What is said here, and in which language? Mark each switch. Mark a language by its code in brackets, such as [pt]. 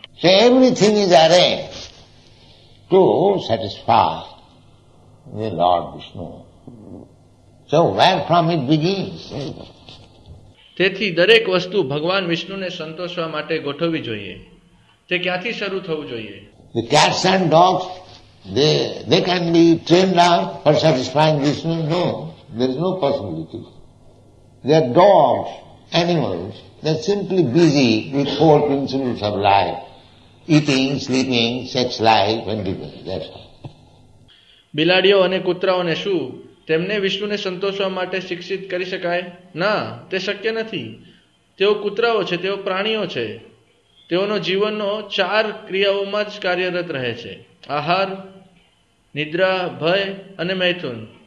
[en] Everything is arranged to satisfy the lord Vishnu. So where from it begins? [gu] તેથી દરેક વસ્તુ ભગવાન વિષ્ણુને સંતોષવા માટે ગોઠવવી જોઈએ. તે ક્યાંથી શરૂ થવું જોઈએ? [en] The cats and dogs, they can be trained up for satisfying Vishnu? No, there is no possibility. They are dogs, animals, they are simply busy with four principles of life: eating, sleeping, sex life and defense. That's all. [gu] બિલાડીઓ અને કૂતરાઓને શું તેમને વિષ્ણુને સંતોષવા માટે શિક્ષિત કરી શકાય? ના, તે શક્ય નથી. તેઓ કૂતરાઓ છે, તેઓ પ્રાણીઓ છે. તેઓનો જીવનનો ચાર ક્રિયાઓમાં જ કાર્યરત રહે છે: આહાર, નિદ્રા, ભય અને મૈથુન.